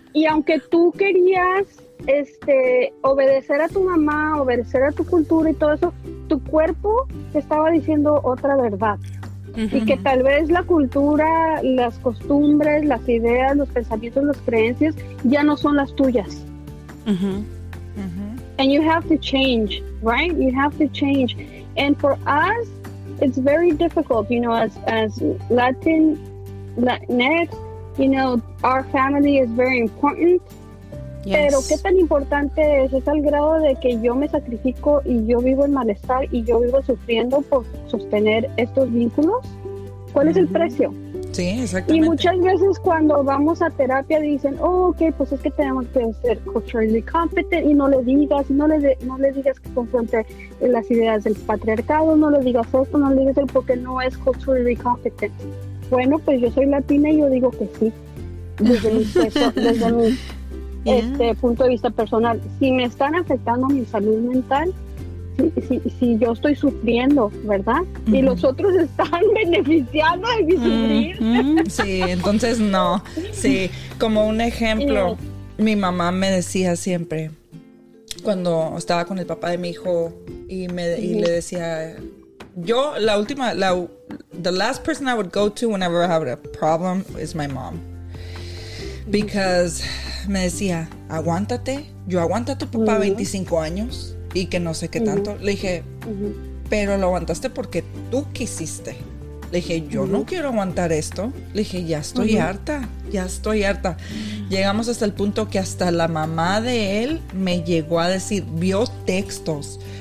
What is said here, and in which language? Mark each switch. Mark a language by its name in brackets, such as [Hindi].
[Spanish] Y aunque tú querías obedecer a tu mamá, obedecer a tu cultura y todo eso, tu cuerpo te estaba diciendo otra verdad. Y que tal vez la cultura, las costumbres, las ideas, los pensamientos, las creencias ya no son las tuyas. [English] And you have to change, right? You have to change. And for us, it's very difficult, you know, as Latinx, you know, our family is very important. [Spanish] Pero qué tan importante es al grado de que yo me sacrifico y yo vivo en malestar y yo vivo sufriendo por sostener estos vínculos. ¿Cuál es el precio? Sí, exactamente. Y muchas veces cuando vamos a terapia dicen, oh, okay, pues es que tenemos que ser [English] culturally competent, [Spanish] y no le digas que confronte las ideas del patriarcado, no le digas esto, no le digas el porque no es culturally competent. Bueno, pues yo soy latina y yo digo que sí, desde mi punto de vista personal. Si me están afectando mi salud mental, si yo estoy sufriendo, ¿verdad? Y los otros están beneficiando de mi sufrir. Sí, entonces no. Sí, como un ejemplo, mi mamá me decía siempre, cuando estaba con el papá de mi hijo, y le decía... Yo, la última, [English] the last person I would go to whenever I have a problem is my mom. Because [Spanish] me decía, aguántate. Yo aguanto a tu papá 25 años y que no sé qué tanto. Le dije, pero lo aguantaste porque tú quisiste. Le dije, yo no quiero aguantar esto. Le dije, ya estoy harta. Ya estoy harta. Llegamos hasta el punto que hasta la mamá de él me llegó a decir, vio textos.